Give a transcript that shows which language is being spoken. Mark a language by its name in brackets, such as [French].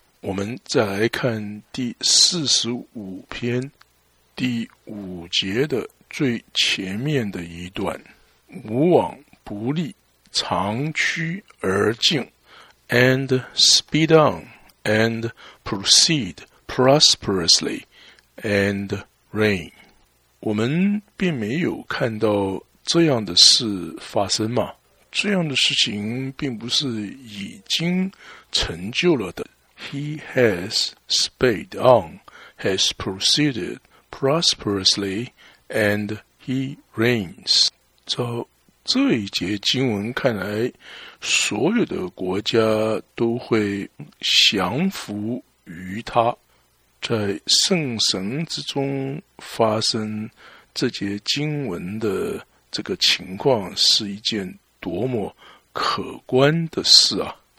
[Chinese] 我们再来看第45篇第5节的最前面的一段，无往不利，长驱而进 [English] and speed on and proceed prosperously and reign。 [Chinese] 我们并没有看到这样的事发生吗？这样的事情并不是已经成就了的。 [English] He has sped on, has proceeded prosperously, and he reigns。 [Chinese] 照这一节经文看来，所有的国家都会降服于他。在圣神之中发生这节经文的这个情况是一件多么可观的事啊！